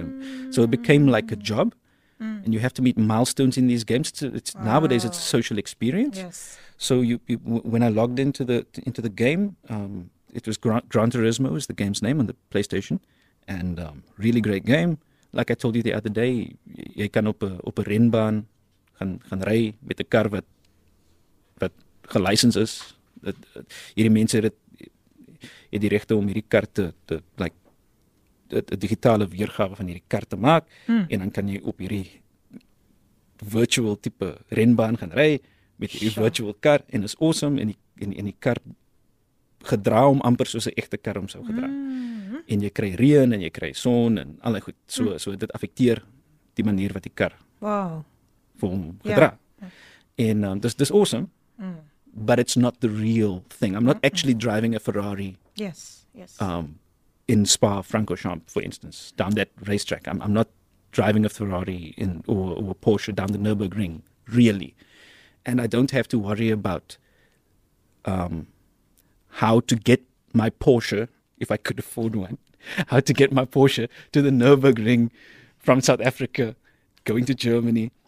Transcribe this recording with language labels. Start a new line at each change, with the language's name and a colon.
English: En, so it became like a job. And you have to meet milestones in these games. Nowadays it's a social experience. Yes. So when I logged into the game, it was Gran Turismo is the game's name on the PlayStation. And really great game. Like I told you the other day,
Afrikaans: jy kan op 'n renbaan gaan ry met 'n kar wat gelicense is. Hierdie mense het die regte om hierdie kaart te digitale weergawe van hierdie kaart te maak en dan kan jy op hierdie virtual tipe renbaan gaan ry met hierdie virtual kar en is awesome en die kar gedra om amper soos 'n echte kar om sou gedra en jy kry reën en jy kry son en al die goed so dit affekteer die manier wat die kar vir hom gedra en dis awesome
English: but it's not the real thing. I'm not actually driving a Ferrari. Yes. In Spa-Francorchamps, for instance, down that racetrack. I'm not driving a Ferrari or a Porsche down the Nürburgring, really. And I don't have to worry about how to get my Porsche, if I could afford one, how to get my Porsche to the Nürburgring from South Africa, going to Germany.